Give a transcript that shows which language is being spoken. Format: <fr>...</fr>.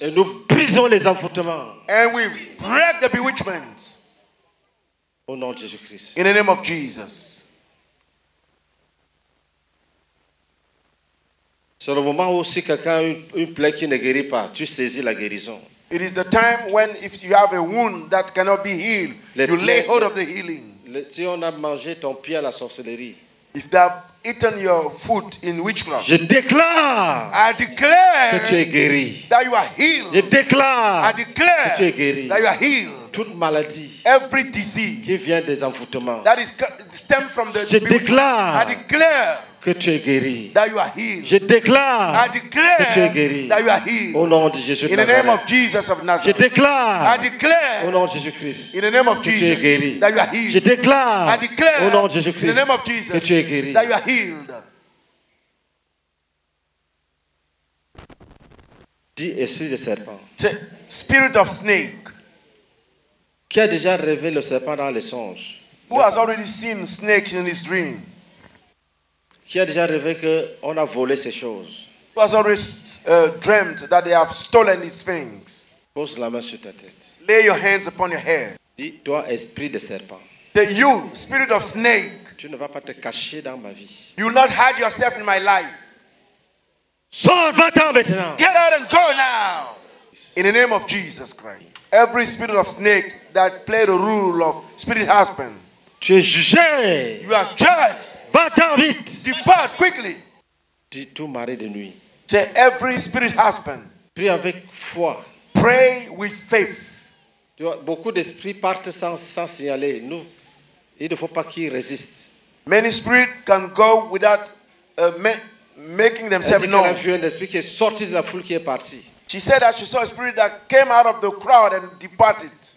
<fr>Et nous brisons les envoûtements.</fr> <en>And we break the bewitchment.</en> <fr>Au nom de Jésus Christ.</fr> <en>In the name of Jesus.</en> <fr>C'est le moment où si quelqu'un a une plaie qui ne guérit pas, tu saisis la guérison.</fr> <en>It is the time when if you have a wound that cannot be healed, you lay hold of the healing.</en> <fr>Si on a mangé ton pied à la sorcellerie,</fr> <en>if they have eaten your foot in witchcraft,</en> <fr>je déclare,</fr> <en>I declare</en> <fr>que tu es guéri.</fr> <en>That you are healed.</en> <fr>Je déclare,</fr> <en>I declare</en> <fr>que tu es guéri.</fr> <en>That you are healed.</en> <fr>Toute maladie,</fr> <en>every disease</en> <fr>qui vient des envoûtements,</fr> <en>that is stem from the</en> <fr>je déclare,</fr> <en>I declare</en> <fr>que tu es guéri.</fr> <en>That you are healed.</en> <fr>Je déclare,</fr> <en>I declare</en> <fr>que tu es guéri.</fr> <en>That you are healed.</en> <fr>Au nom de Jésus</fr> <en>Christ. In the name of Jesus of Nazareth.</en> <fr>Je déclare,</fr> <en>I declare.</en> <fr>Au nom de Jésus Christ.</fr> <en>In the name of Jesus.</en> <fr>Que tu es guéri.</fr> <en>That you are healed.</en> <fr>Je déclare,</fr> <en>I declare.</en> <fr>Au nom de Jésus Christ.</fr> <en>In the name of Jesus.</en> <fr>Que tu es guéri.</fr> <en>That you are healed.</en> <fr>Dis esprit de serpent.</fr> <en>Say, spirit of snake.</en> <fr>Qui a déjà rêvé le serpent dans les songes?</fr> <en>Who has already seen snakes in his dream?</en> <fr>Qui a déjà rêvé que on a volé ses choses?</fr> <en>Who has already dreamt that they have stolen his things?</en> <fr>Pose la main sur ta tête.</fr> <en>Lay your hands upon your head.</en> <fr>Dis toi esprit de serpent.</fr> <en>The you spirit of snake.</en> <fr>Tu ne vas pas te cacher dans ma vie.</fr> <en>You will not hide yourself in my life.</en> <fr>Sors va-t'en maintenant.</fr> <en>Get out and go now. In the name of Jesus Christ. Every spirit of snake that play the role of spirit husband.</en> <fr>Tu es jugé.</fr> <en>You are judged.</en> <fr>Va-t'en vite.</fr> <en>Depart quickly.</en> <fr>Dis tout mari de nuit.</fr> <en>Say every spirit husband.</en> <fr>Prie avec foi.</fr> <en>Pray with faith.</en> <fr>Tu vois, beaucoup d'esprits partent sans signaler. Nous, il ne faut pas qu'ils résistent.</fr> <en>Many spirits can go without making themselves known.</en> <fr>Elle a vu un esprit qui est sorti de la foule qui est parti.</fr> <en>She said that she saw a spirit that came out of the crowd and departed.</en>